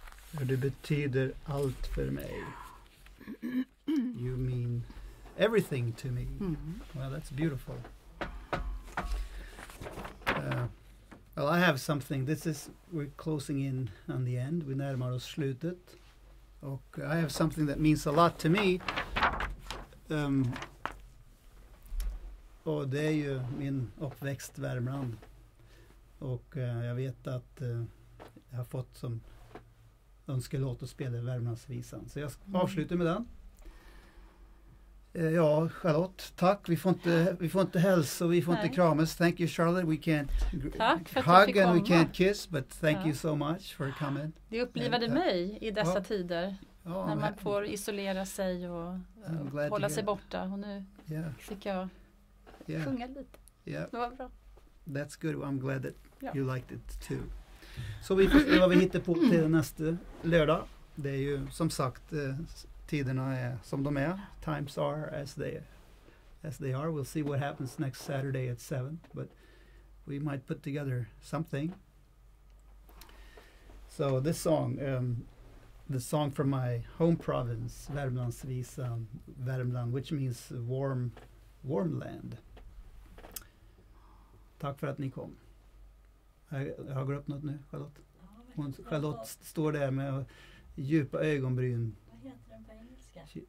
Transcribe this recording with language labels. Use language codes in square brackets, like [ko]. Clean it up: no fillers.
[sv] Det betyder allt för mig. [en] You mean everything to me. Mm-hmm. Well, that's beautiful. Well, I have something. This is, we're closing in on the end. [sv] Vi närmar oss slutet. [en] Och I have something that means a lot to me. [sv] Och det är ju min uppväxt Värmland. Och jag vet att jag har fått som önskelåt att spela Värmlandsvisan. Så jag avslutar med den. Ja, Charlotte, tack. Vi får inte hälsa och vi får inte kramas. [en] Thank you, Charlotte. We can't hug and we can't kiss, but thank you so much for coming. [sv] Det upplivade mig i dessa tider. Ja, när man får isolera sig och hålla sig borta. Och nu fick jag sjunga lite. [en] Yeah. [sv] Det var bra. [en] That's good. I'm glad that you liked it too. [sv] Så vi får se vad vi hittar på till nästa lördag. Det är ju som sagt, tiderna är som de är. [en] Times are as they are. We'll see what happens next Saturday at 7. But we might put together something. So this song, the song from my home province, Värmlandsvisan, Värmland, which means warm land. [sv] Tack för att ni kom. Jag har glömt något nu, Charlotte. Hon, Charlotte står där med djupa ögonbryn. Vad heter den på engelska?